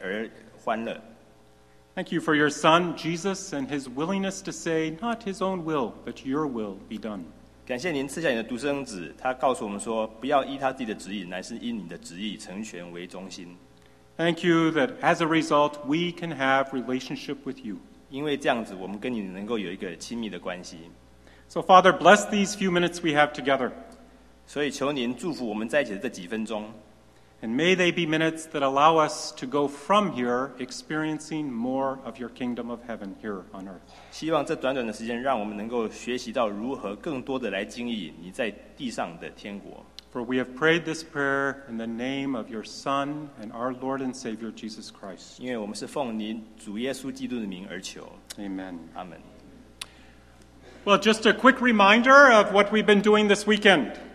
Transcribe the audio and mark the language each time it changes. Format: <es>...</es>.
<zh>是那我们感谢你，我们为了你做了这么多事情，让我们来经历你的国度而欢乐。Thank</zh> <en>you for your son, Jesus, and his willingness to say, not his own will, but your will be done.</en> <zh>感谢您赐下你的独生子，他告诉我们说，不要依他自己的旨意，乃是因你的旨意成全为中心。Thank</zh> <en>you that as a result, we can have relationship with you.</en> <zh>因为这样子，我们跟你能够有一个亲密的关系。So</zh> <en>Father, bless these few minutes we have together.</en> <zh>所以求您祝福我们在一起的这几分钟。And</zh> <en>may they be minutes that allow us to go from here experiencing more of your kingdom of heaven here on earth.</en> <zh>希望这短短的时间让我们能够学习到如何更多的来经历你在地上的天国。For</zh> <en>we have prayed this prayer in the name of your Son and our Lord and Savior Jesus Christ.</en> <zh>因为我们是奉您主耶稣基督的名而求。Amen.</zh> <en>Amen. Well, just a quick reminder of what we've been doing this weekend.</en>